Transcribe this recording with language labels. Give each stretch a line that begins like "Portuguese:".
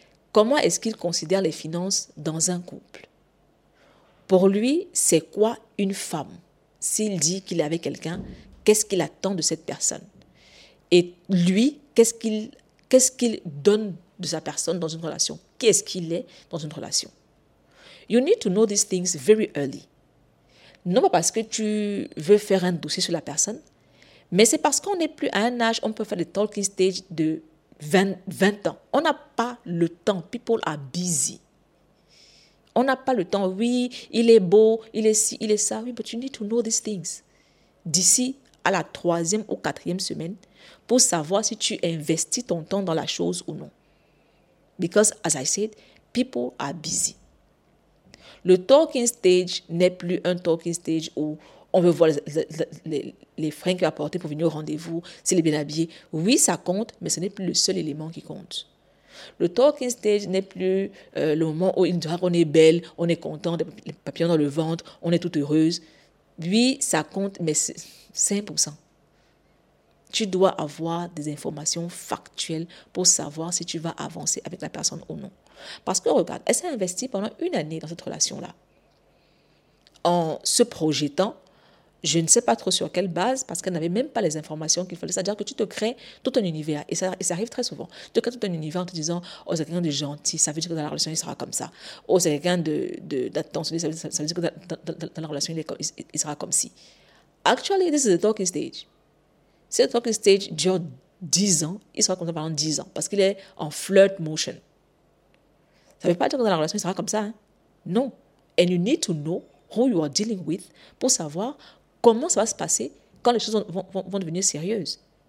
French: Comment est-ce qu'il considère les finances dans un couple? Pour lui, c'est quoi une femme? S'il dit qu'il est avec quelqu'un, qu'est-ce qu'il attend de cette personne? Et lui, qu'est-ce qu'il donne de sa personne dans une relation? Qui est-ce qu'il est dans une relation?
English: You need to know these things very early.
French: Non pas parce que tu veux faire un dossier sur la personne, mais c'est parce qu'on n'est plus à un âge où on peut faire des talking stage de 20 ans. On n'a pas le temps.
English: People are busy.
French: On n'a pas le temps. Oui, il est beau, il est ci, il est ça.
English: Oui, but you need to know these things.
French: D'ici à la troisième ou quatrième semaine, pour savoir si tu investis ton temps dans la chose ou non.
English: Because, as I said, people are busy.
French: Le talking stage n'est plus un talking stage où on veut voir les fringues qu'il va porter pour venir au rendez-vous, s'il est bien habillé. Oui, ça compte, mais ce n'est plus le seul élément qui compte. Le talking stage n'est plus le moment où il dira qu'on est belle, on est content, les papillons dans le ventre, on est toute heureuse. Oui, ça compte, mais c'est 5%. Tu dois avoir des informations factuelles pour savoir si tu vas avancer avec la personne ou non. Parce que regarde, elle s'est investie pendant une année dans cette relation-là. En se projetant, je ne sais pas trop sur quelle base, parce qu'elle n'avait même pas les informations qu'il fallait. C'est-à-dire que tu te crées tout un univers, et ça arrive très souvent. Tu te crées tout un univers en te disant, oh, c'est quelqu'un de gentil, ça veut dire que dans la relation, il sera comme ça. Oh, c'est quelqu'un d'attentionné, ça veut dire que dans la relation, il sera comme ci.
English: Actually, this is the talking stage.
French: Si le talking stage dure 10 ans, il sera comme ça pendant 10 ans, parce qu'il est en flirt motion. Ça ne veut pas dire que dans la relation, il sera comme ça. Hein? Non.
English: And you need to know who you are dealing with
French: pour savoir comment ça va se passer quand les choses vont devenir sérieuses.